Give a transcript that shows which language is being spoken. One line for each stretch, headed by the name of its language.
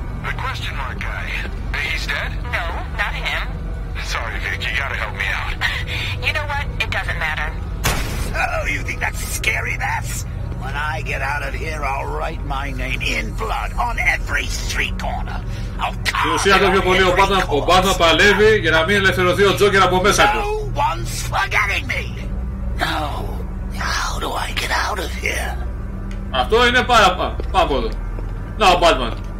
English: The question mark guy. He's dead? No, not him. Sorry, Vic, you gotta help me out. You know what? It doesn't matter. Oh, you think that's scary, Bats? When I get out of here, I'll write my name in blood on every street corner.
Greek: Στην ουσία το πιο πολύ ο Batman παλεύει για να μην ελευθερωθεί ο Τζόκερ από μέσα του.
English: No one's forgetting me. No. How do I get out of here?
Greek: Αυτό είναι πάρα πάρα πάρα πολύ. Να ο Batman.